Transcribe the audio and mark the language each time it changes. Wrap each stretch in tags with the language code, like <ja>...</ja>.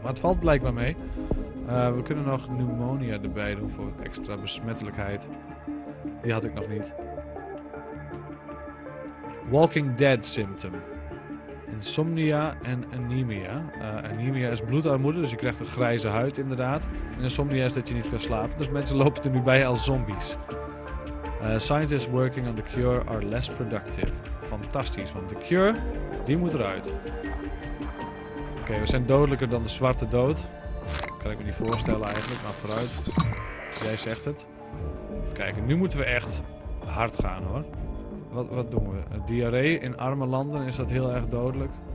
<nl>Maar het valt blijkbaar mee. We kunnen nog pneumonia erbij doen voor extra besmettelijkheid. Die had ik nog niet.</nl> <en>Walking dead symptom. Insomnia en anemia.</en> <nl>Anemia is bloedarmoede, dus je krijgt een grijze huid inderdaad. En insomnia is dat je niet kan slapen, dus mensen lopen er nu bij als zombies.</nl> <en>Scientists working on the cure are less productive.</en> <nl>Fantastisch, want de cure, die moet eruit. Oké, we zijn dodelijker dan de zwarte dood. Kan ik me niet voorstellen eigenlijk, maar vooruit. Jij zegt het. Even kijken, nu moeten we echt hard gaan hoor. Wat doen we? Diarree in arme landen, is dat heel erg dodelijk?</nl>